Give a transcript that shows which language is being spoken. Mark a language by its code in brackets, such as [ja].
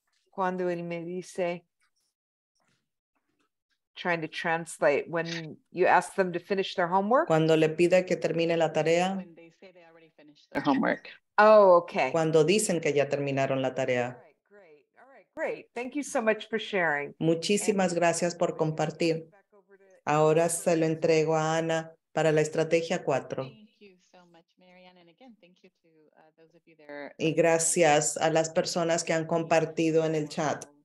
[es] Cuando él me dice, [en] trying to translate, when you ask them to finish their homework. [es] Cuando le pide que termine la tarea. [en] When they say they already finished their homework. Oh, okay. [es] Cuando dicen que ya terminaron la tarea. [en] All right, great. Thank you so much for sharing. [es] Muchísimas gracias por compartir. Ahora se lo entrego a Ana para la estrategia 4. [en] Thank you so much, Marianne. And again, thank you to those of you there. [es] Y gracias a las personas que han compartido en el chat.